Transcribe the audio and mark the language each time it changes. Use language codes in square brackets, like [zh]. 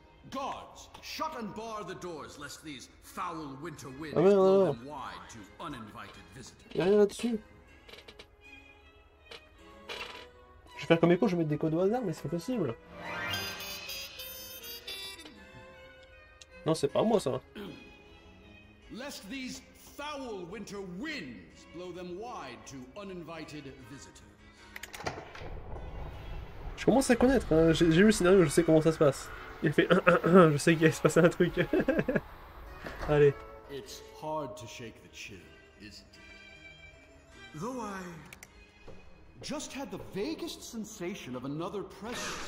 [en] Guards, shut and bar the doors, lest these foul winter winds blow them wide to uninvited visitors. [fr] Y'a rien là-dessus. Je vais faire comme écho, je vais mettre des codes au hasard, mais c'est possible. Non, c'est pas moi, ça. [en] Lest these foul winter winds blow them wide to uninvited visitors. [fr] Je commence à connaître, hein. J'ai lu le scénario, je sais comment ça se passe. Il fait je sais qu'il va se passer un truc. Allez. [en] It's hard to shake the chill, isn't it? Though I just had the vaguest sensation of another presence.